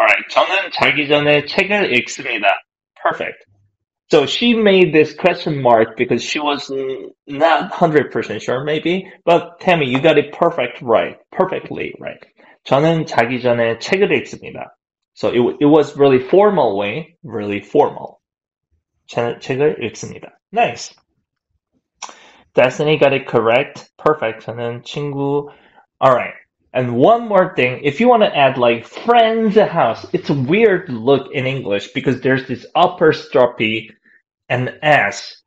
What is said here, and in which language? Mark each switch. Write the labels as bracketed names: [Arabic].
[Korean] 저는 자기 전에 책을 읽습니다. [English] Perfect. So she made this question mark because she was not 100% sure, maybe. But Tammy, you got it perfect right. Perfectly right. [Korean] 저는 자기 전에 책을 읽습니다. [English] So it was really formal way, really formal. [Korean] 책을 읽습니다. [English] Nice. Destiny got it correct. Perfect. [Korean] 저는 친구. [English] All right. And one more thing. If you want to add like friend's house, it's a weird look in English because there's this apostrophe and S.